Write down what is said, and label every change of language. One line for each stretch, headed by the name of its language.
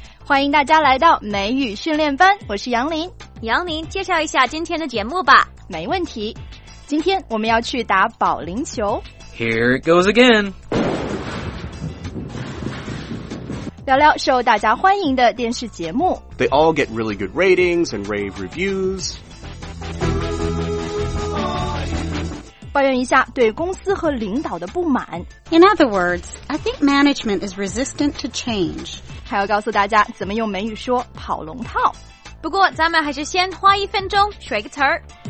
Chinese: 欢迎大家来到美语训练班。我是杨林。杨林，介绍一下今天的节目吧。没问题。今天我们要去打保龄球。
English: Here it goes again.
Chinese: 聊聊受大家欢迎的电视节目。
English: They all get really good ratings and rave reviews.
Chinese: 抱怨一下对公司和领导的不满。
English: In other words, I think management is resistant to change.
Chinese: 还要告诉大家怎么用美语说跑龙套。不过咱们还是先花一分钟学个词儿。